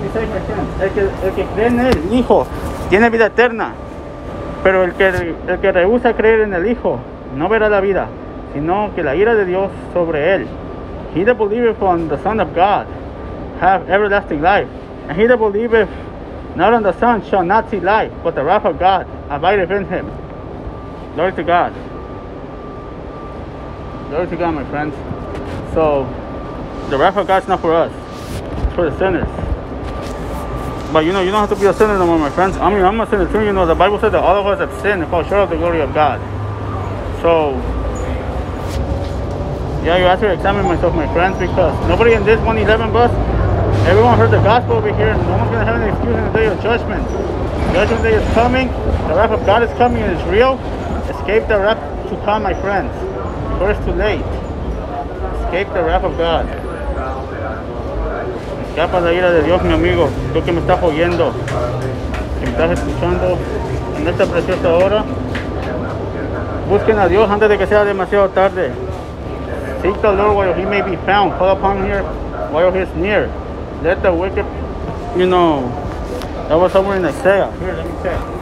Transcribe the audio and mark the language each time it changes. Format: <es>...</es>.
<es>El que cree en el Hijo tiene vida eterna, pero el que rehúsa creer en el Hijo no verá la vida, sino que la ira de Dios sobre él.</es> <en>He that believeth on the Son of God have everlasting life, and he that believeth not on the Son shall not see life, but the wrath of God abideth in him. Glory to God. Glory to God, my friends. So, the wrath of God is not for us. For the sinners. But you know, you don't have to be a sinner no more, my friends. I mean, I'm a sinner too. You know, the Bible said that all of us have sinned and fall short of the glory of God. So, yeah, you have to examine myself, my friends, because nobody in this 111 bus, everyone heard the gospel over here, and no one's going to have an excuse in the day of judgment. Judgment day is coming. The wrath of God is coming, and it's real. Escape the wrath to come, my friends, before it's too late. Escape the wrath of God.</en> <es>Escapa la ira de Dios, mi amigo, tú que me estás oyendo, que me estás escuchando en esta preciosa hora. Busquen a Dios antes de que sea demasiado tarde.</es> <en>Seek the Lord while He may be found. Call upon Him while He is near. Let the wicked, you know, that was somewhere in Isaiah. Here, let me check.</en>